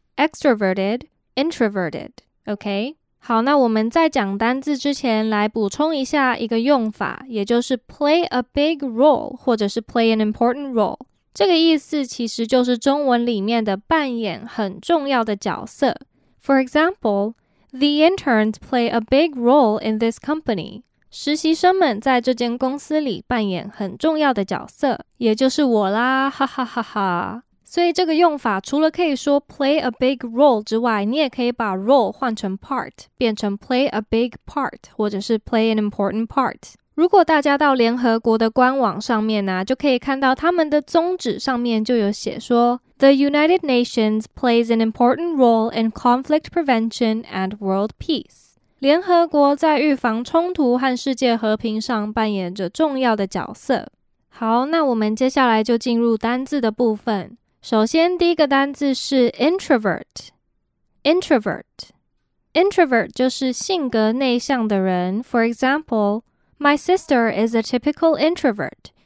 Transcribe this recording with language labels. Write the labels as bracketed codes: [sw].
[en] Extroverted, introverted, okay? [zh] 好,那我们在讲单字之前来补充一下一个用法, 也就是play a big role, 或者是play an important role. 这个意思其实就是中文里面的扮演很重要的角色. [en] For example, the interns play a big role in this company. [zh] 实习生们在这间公司里扮演很重要的角色, 也就是我啦, 哈哈哈哈。所以这个用法除了可以说 play a big role 之外 你也可以把 role 换成 part 变成 play a big part 或者是 play an important part 如果大家到联合国的官网上面啊 就可以看到他们的宗旨上面就有写说 [en] The United Nations plays an important role in conflict prevention and world peace. [zh] 联合国在预防冲突和世界和平上扮演着重要的角色。好，那我们接下来就进入单字的部分。首先，第一个单字是 introvert。introvert。 [en] introvert [zh] 就是性格内向的人。 [en] For example, my sister is a typical introvert.